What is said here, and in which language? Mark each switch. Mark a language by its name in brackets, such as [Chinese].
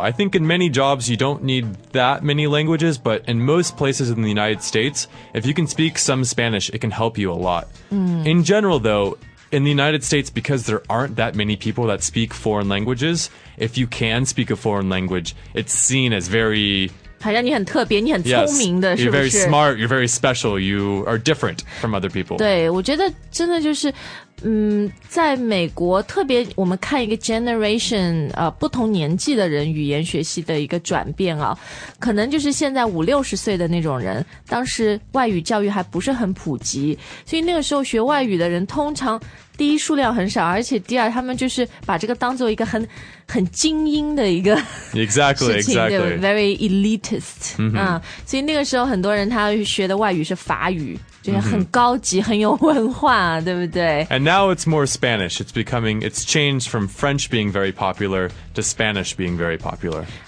[English] I think in many jobs you don't need that many languages, but in most places in the United States, if you can speak some Spanish, it can help you a lot. In general though,In the United States, because there aren't that many people that speak foreign languages, if you can speak a foreign language, it's seen as very... [Chinese] 好像你很特别，你很聪明的，是不是 [English] ？You're very smart, you're very special, you are different from other people. [Chinese] 对，我觉得真的就是，在美国，特别我们看一个 generation, 不同年纪的人语言学习的一个转变啊，可能就是现在五六十岁的那种人，当时外语教育还不是很普及，所以那个时候学外语的人通常第一数量很少，而且第二他们就是把这个当做一个很精英的一个 [English] exactly, [Chinese] 事情 [English] exactly. 对 very elitist、 mm-hmm. [Chinese] 所以那个时候很多人他学的外语是法语就是很高级、mm-hmm. 很有文化对不对 [English] and now it's more Spanish it's changed from French being very popular to Spanish being very popular